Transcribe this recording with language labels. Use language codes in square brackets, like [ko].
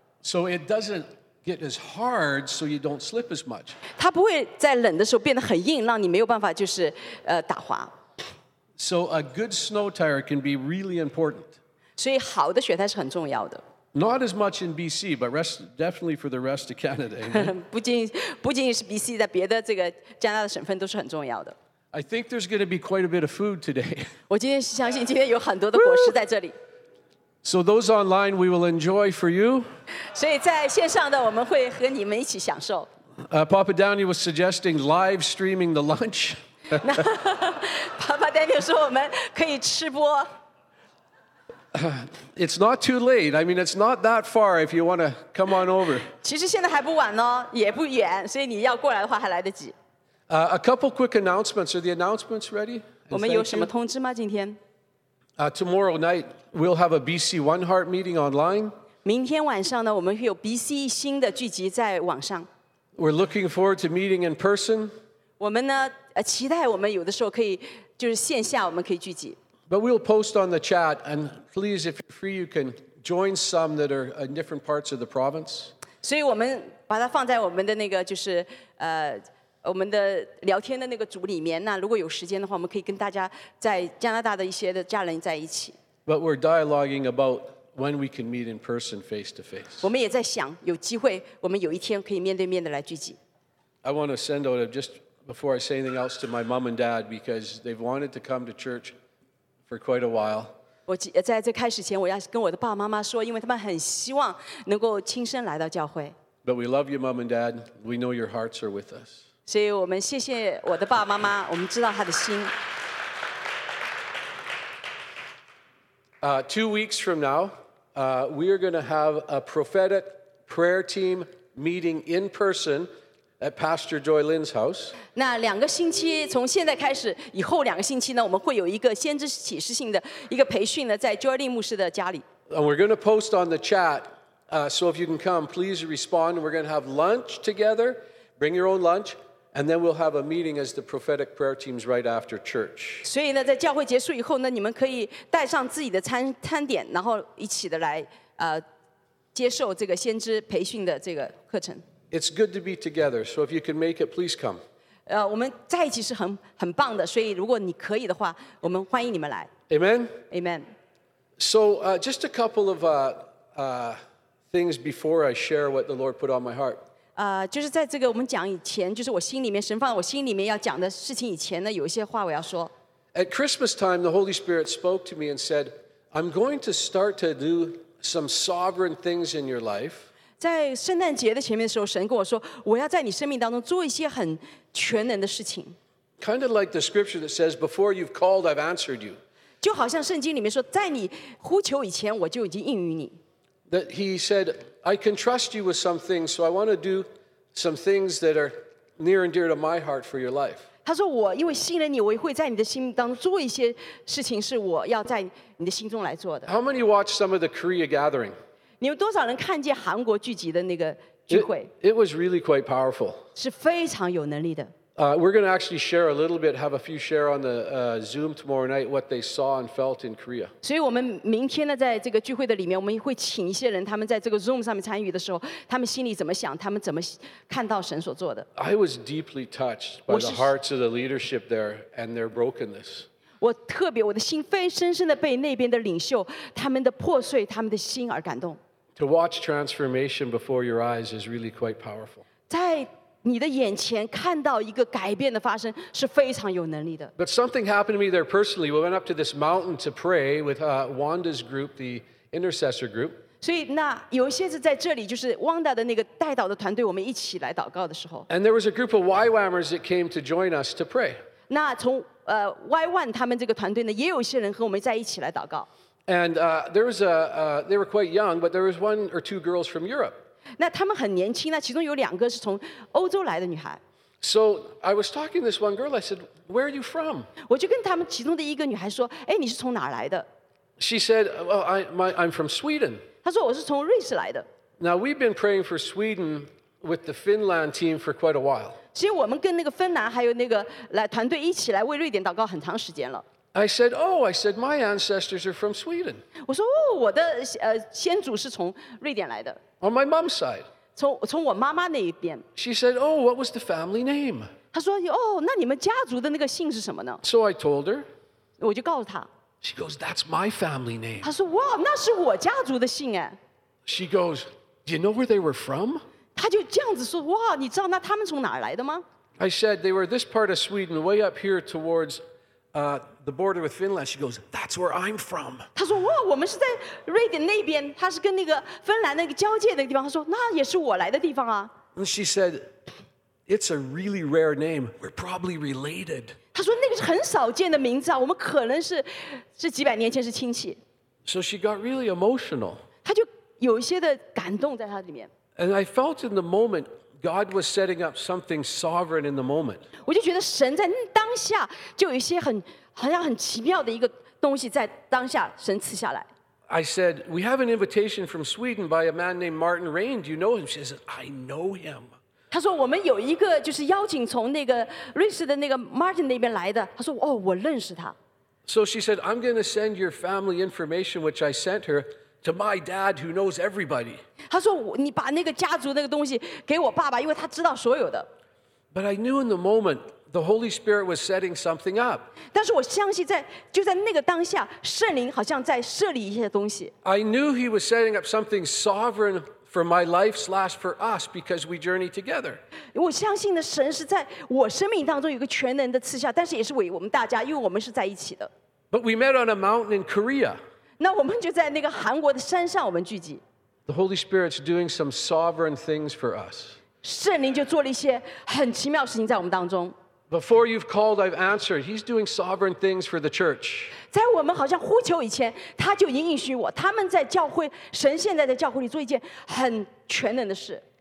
[en] So it doesn't get as hard so you don't slip as much [zh] 它不会在冷的时候变得很硬让你没有办法就是打滑 [en] So a good snow tire can be really important [zh] 所以好的雪胎是很重要的 [en] Not as much in BC but rest, definitely for the rest of Canada [zh] 不仅是BC 在别的这个加拿大省份都是很重要的 [en] I think there's going to be quite a bit of food today. [zh] 我今天相信今天有很多的果实在这里。 [en] So those online, we will enjoy for you. [zh] 所以在线上的我们会和你们一起享受。 [en] Papa Daniel was suggesting live streaming the lunch. [zh] Papa Daniel说我们可以吃播。 [en] It's not too late. I mean, it's not that far if you want to come on over. [zh] 其实现在还不晚哦，也不远，所以你要过来的话还来得及。 [en] A couple quick announcements. Are the announcements ready? [zh] 我们有什么通知吗, 今天? [en] Tomorrow night, we'll have a BC One Heart meeting online. [zh] 明天晚上呢, 我们会有BC新的聚集在网上。 [en] We're looking forward to meeting in person. [zh] 我们呢, 期待我们有的时候可以, 就是线下我们可以聚集。 [en] But we'll post on the chat, and please, if you're free, you can join some that are in different parts of the province. [zh] 所以我们把它放在我们的那个就是我们的聊天的那个组里面那如果有时间的话我们可以跟大家在加拿大的一些的家人在一起 [en] But we're dialoguing about when we can meet in person face to face [zh] 我们也在想有机会我们有一天可以面对面的来聚集 [en] I want to send out a, just before I say anything else to my mom and dad because they've wanted to come to church for quite a while [zh] 我在这开始前我要跟我的爸爸妈妈说因为他们很希望能够亲身来到教会 [en] But we love you mom and dad we know your hearts are with us [zh] 所以我们谢谢我的爸爸妈妈我们知道他的心 [en] 2 weeks from now we are going to have a prophetic prayer team meeting in person at Pastor Joy Lin's house [zh] 那两个星期从现在开始以后两个星期呢我们会有一个先知启示性的一个培训呢在 Joy Lin 牧师的家里 [en] And we're going to post on the chat so if you can come please respond we're going to have lunch together bring your own lunchAnd then we'll have a meeting as the prophetic prayer teams right after church. [zh] 所以呢，在教会结束以后呢，你们可以带上自己的餐点，然后一起的来接受这个先知培训的这个课程。 [en] It's good to be together. So if you can make it, please come. [zh] 我们在一起是很棒的。所以如果你可以的话，我们欢迎你们来。 [en] Amen. Amen. So just a couple of things before I share what the Lord put on my heart. [zh] 就是在这个我们讲以前就是我心里面神放我心里面要讲的事情以前呢有一些话我要说 [en] At Christmas time the Holy Spirit spoke to me and said I'm going to start to do some sovereign things in your life [zh] 在圣诞节的前面的时候神跟我说我要在你生命当中做一些很全能的事情 [en] Kind of like the scripture that says before you've called I've answered you [zh] 就好像圣经里面说在你呼求以前我就已经应允你 [en] That he saidI can trust you with some things, so I want to do some things that are near and dear to my heart for your life. [zh] 他说我因为信任你，我会在你的心当中做一些事情，是我要在你的心中来做的。 [en] How many watched some of the Korea gathering? [zh] 你有多少人看见韩国聚集的那个聚会？ [en] It was really quite powerful. [zh] 是非常有能力的。 [en] We're going to actually share a little bit, have a few share on the Zoom tomorrow night what they saw and felt in Korea. [zh] 所以我们明天呢，在这个聚会的里面，我们会请一些人，他们在这个 Zoom 上面参与的时候，他们心里怎么想，他们怎么看到神所做的。 [en] I was deeply touched by the hearts of the leadership there and their brokenness. [zh] 我特别，我的心非深深的被那边的领袖他们的破碎，他们的心而感动。 [en] To watch transformation before your eyes is really quite powerful. [zh] 在你的眼前看到一个改变的发生是非常有能力的。 [en] But something happened to me there personally. We went up to this mountain to pray with Wanda's group, the intercessor group. [zh] 所以那有一些是在这里，就是 Wanda 的那个带导的团队，我们一起来祷告的时候。 [en] And there was a group of YWAMers that came to join us to pray. [zh] 那从YWAM 他们这个团队呢，也有一些人和我们在一起来祷告。 [en] And there was a they were quite young, but there was one or two girls from Europe. [zh] 那他们很年轻呢，其中有两个是从欧洲来的女孩。 [en] So I was talking to this one girl. I said, "Where are you from?" [zh] 我就跟他们其中的一个女孩说，哎，你是从哪儿来的 [en] ？She said, "Well, I'm from Sweden." [zh] 她说我是从瑞士来的。 [en] Now we've been praying for Sweden with the Finland team for quite a while. [zh] 其实我们跟那个芬兰还有那个来团队一起来为瑞典祷告很长时间了。 [en] I said, "Oh, I said my ancestors are from Sweden." [zh] 我说哦，我的先祖是从瑞典来的。 [en] On my mom's side. [zh] 从我妈妈那一边。 [en] She said, "Oh, what was the family name?" [zh] 她说哦，那你们家族的那个姓是什么呢 [en] ？So I told her. [zh] 我就告诉她。 [en] She goes, "That's my family name." [zh] 她说哇，那是我家族的姓哎。 [en] She goes, "Do you know where they were from?" [zh] 她就这样子说哇，你知道那他们从哪儿来的吗 [en] ？I said they were this part of Sweden, way up here towards. The border with Finland. She goes, "That's where I'm from." [zh] 她说哇，我们是在瑞典那边，她是跟那个芬兰那个交界那个地方。她说那也是我来的地方啊。 [en] And she said, "It's a really rare name. We're probably related." [zh] 她说那个是很少见的名字啊，我们可能是几百年前是亲戚。 [en] So she got really emotional. [zh] 她就有一些的感动在她里面。 [en] And I felt in the moment. God was setting up something sovereign in the moment. [zh] 我就觉得神在当下就有一些很好像很奇妙的一个东西在当下神赐下来。 [en] I said, "We have an invitation from Sweden by a man named Martin Rain. Do you know him?" She said, "I know him." [zh] 他说我们有一个就是邀请从那个瑞士的那个 Martin 那边来的。他说哦，我认识他。 [en] So she said, "I'm going to send your family information, which I sent her." To my dad, who knows everybody. [zh] 他说你把那个家族那个东西给我爸爸，因为他知道所有的。 [en] But I knew in the moment the Holy Spirit was setting something up. [zh] 但是我相信在就在那个当下，圣灵好像在设立一些东西。 [en] I knew He was setting up something sovereign for my life / for us because we journey together. [zh] 我相信的神是在我生命当中有个全能的赐下，但是也是为我们大家，因为我们是在一起的。 [en] But we met on a mountain in Korea. [zh] 那我们就在那个韩国的山上我们聚集。 [en] The Holy Spirit's doing some sovereign things for us. [zh] 圣灵就做了一些很奇妙的事情在我们当中。 [en] Before you've called, I've answered. He's doing sovereign things for the church. [zh] 在我们好像呼求以前，他就已经应许我。他们在教会，神现在在教会里做一件很全能的事。